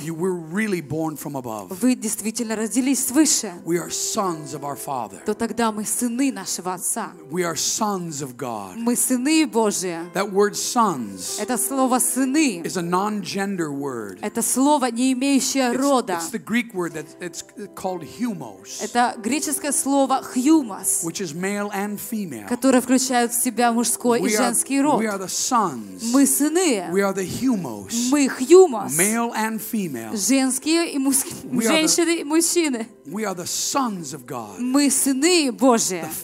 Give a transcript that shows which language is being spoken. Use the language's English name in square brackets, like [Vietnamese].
[English] you were really born from above. [Russian] Вы действительно родились свыше. [English] We are sons of our father. [Russian] То тогда мы сыны нашего отца. [English] We are sons of God. [Russian] Мы сыны Божьи. [English] That word sons. [Russian] Это слово сыны. [English] Is a non-gender word. [Russian] Это слово не имеющее рода. [English] It's the Greek word that it's called humos. [Russian] Это греческое слово humos. [English] Which is male and female. [Russian] Которое включает в себя мужской и женский род. [English] We are the sons. [Russian] Мы сыны. [English] We are the humos. [Russian] Мы хьюмос. [English] Male and female. [Russian] Женские и мужские. Женщины и мужчины. [English] We are the sons of God. [Russian] Мы сыны Божьи.